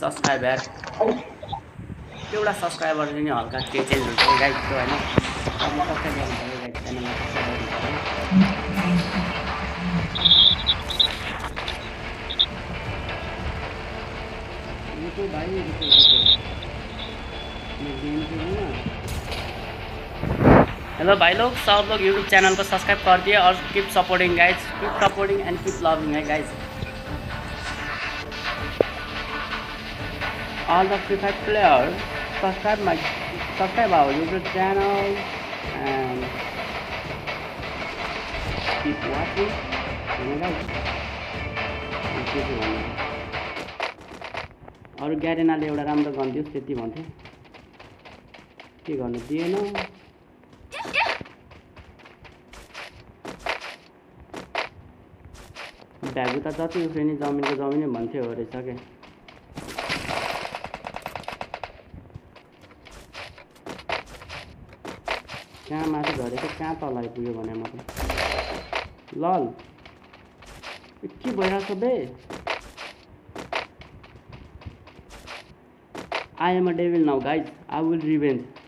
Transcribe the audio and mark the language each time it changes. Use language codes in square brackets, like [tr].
[ne] Subscriber एउटा subscriber नि हल्का के चेन्ज हुन्छ गाइस त्यो हैन। अब म कसरी गर्नु पर्यो गाइस च्यानललाई सब्सक्राइब गर्नु पर्यो। यो चाहिँ भाइ यो चाहिँ गेम खेल्नु न। [hi] हेलो भाई लोग सब लोग यूट्यूब चैनल को सब्सक्राइब कर दिए और [en] Keep supporting guys. Keep supporting and keep loving है guys. All the free fire player subscribe my subscribe our YouTube channel and keep watching guys. [ne] और ग्यारेनाले एउटा राम्रो गन दियोस् त्यति भन्थे के गर्नु दिएन। भ्यागु त जति उफ्रे नि जमिनको जमिनै भन्थ्यो हो रहेछ के। कहाँ माथि झरेको कहाँ तल आइपुग्यो भने म त लल के भइरहेको छ बे। [en] I am a devil now guys I will revenge.